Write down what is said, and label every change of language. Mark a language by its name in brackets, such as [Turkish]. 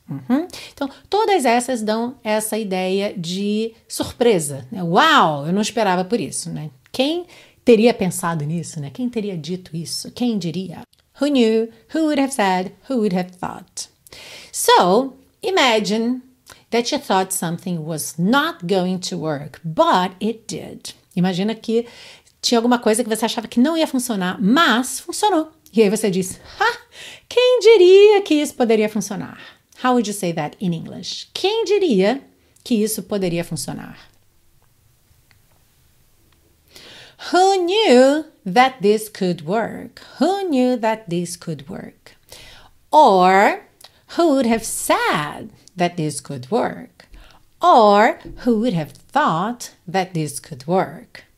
[Portuguese] Uhum. Então, todas essas dão essa ideia de surpresa, né? Uau, eu não esperava por isso, né? Quem teria pensado nisso, né? Quem teria dito isso, quem diria? [English] Who knew, who would have said, who would have thought. So, imagine that you thought something was not going to work, but it did. [Portuguese] Imagina que tinha alguma coisa que você achava que não ia funcionar, mas funcionou. E aí você diz, ha, quem diria que isso poderia funcionar? [English] How would you say that in English? [Portuguese] Quem diria que isso poderia funcionar? [English] Who knew that this could work? Who knew that this could work? Or who would have said that this could work? Or who would have thought that this could work?